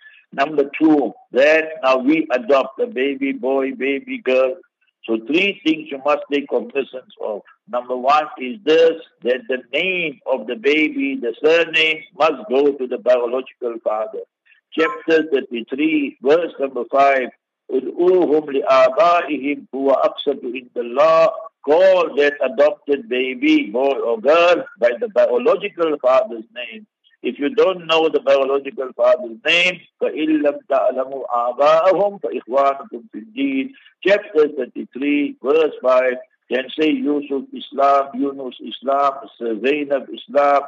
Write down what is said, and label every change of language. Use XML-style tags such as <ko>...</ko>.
<en>Number two, that now we adopt a baby boy, baby girl. So three things you must take cognizance of. Number one is this, that the name of the baby, the surname, must go to the biological father. Chapter 33, verse number 5,</en> <ar>اُدْعُوهُمْ لِآبَائِهِمْ هُوَ أَقْسَطُ إِنْدَ اللَّهِ.</ar> <en>Call that adopted baby, boy or girl, by the biological father's name. If you don't know the biological father's name,</en> <ar>فَإِن لَمْ تَعْلَمُوا آبَاءَهُمْ فَإِخْوَانُكُمْ فِي الدِّينِ.</ar> <en>Chapter 33, verse 5, can say Yusuf Islam, Yunus Islam, Zainab Islam.</en>